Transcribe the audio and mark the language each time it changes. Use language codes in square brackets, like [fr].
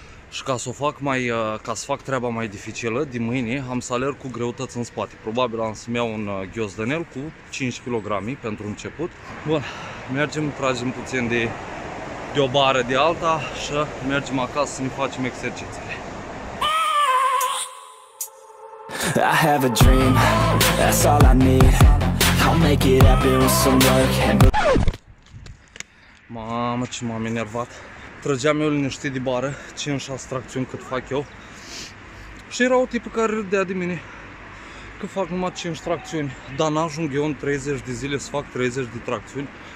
[ro] Și ca să o fac mai, ca să fac treaba mai dificilă, din mâine am să alerg cu greutăți în spate. Probabil am să-mi iau un ghiozdănel cu 5 kg pentru început. Bun, mergem, tragem puțin de o bară de alta și mergem acasă să ne facem exercițiile. [en] I have a dream, that's all I need. I'll make it happen with some work and... [ro] Mamă, ce m-am enervat. Trăgeam eu liniștit de bară, 5-6 tracțiuni cât fac eu. Și era o tipă care râdea de mine că fac numai 5 tracțiuni, dar n-ajung eu în 30 de zile să fac 30 de tracțiuni.